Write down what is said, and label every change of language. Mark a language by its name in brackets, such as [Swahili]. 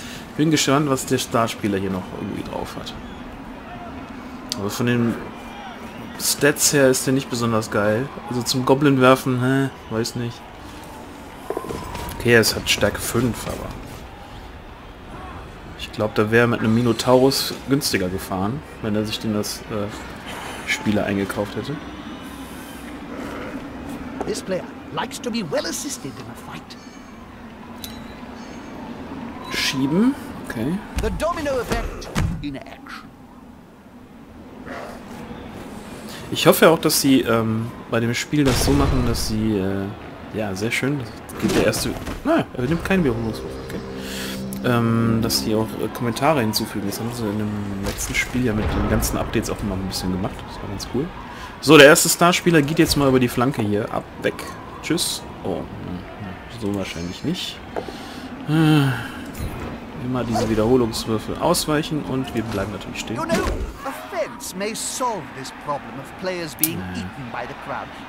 [German] Ich bin gespannt, was der Starspieler hier noch irgendwie drauf hat. Aber von den Stats her ist der nicht besonders geil. Also zum Goblin werfen, hä, weiß nicht. Okay, es hat Stärke 5, aber... Ich glaube, da wäre mit einem Minotaurus günstiger gefahren, wenn er sich denn das Spieler eingekauft hätte. [English] This player likes to be well assisted in a fight. [German] Schieben, okay. [English] The domino effect in action. [German] Ich hoffe auch, dass sie bei dem Spiel das so machen, dass sie... ja, sehr schön. Das geht der erste... Naja, er nimmt keinen Bürohnungswurf. Okay. Dass die auch Kommentare hinzufügen. Das haben sie in dem letzten Spiel ja mit den ganzen Updates auch mal ein bisschen gemacht. Das war ganz cool. So, der erste Starspieler geht jetzt mal über die Flanke hier. Ab, weg. Tschüss. Oh, so wahrscheinlich nicht. Immer diese Wiederholungswürfe ausweichen und wir bleiben natürlich stehen. [English] May solve this problem of players being eaten by the crowd.